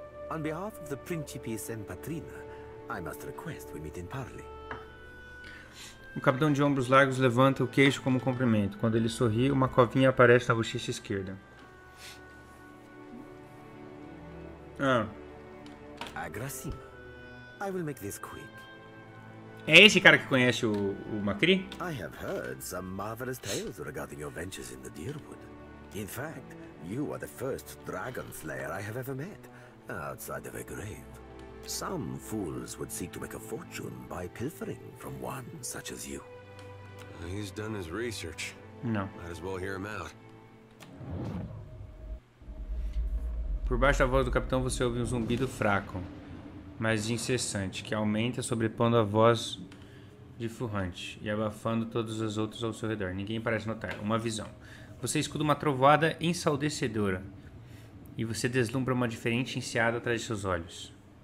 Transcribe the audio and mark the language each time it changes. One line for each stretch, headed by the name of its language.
English: On behalf of the Principis and Patrina, I must request we meet in Parley.
Portuguese: O capitão de ombros largos levanta o queixo como cumprimento. Quando ele sorri, uma covinha aparece na bochecha esquerda.
English: Agracima. I will make this quick.
Portuguese: É esse cara que conhece o Macri?
English: I have heard some marvelous tales regarding your ventures in the Deerwood. In fact, you are the first dragon slayer I have ever met, outside of a grave. Some fools would seek to make a fortune by pilfering from one such as you. He's done his research. No. Might as well hear him out.
Portuguese: Por baixo da voz do capitão você ouve um zumbido fraco, mas incessante, que aumenta sobrepondo a voz de Furrante e abafando todos os outros ao seu redor. Ninguém parece notar. Uma visão. Você escuta uma trovoada ensaldecedora e você deslumbra uma diferente enseada atrás de seus olhos.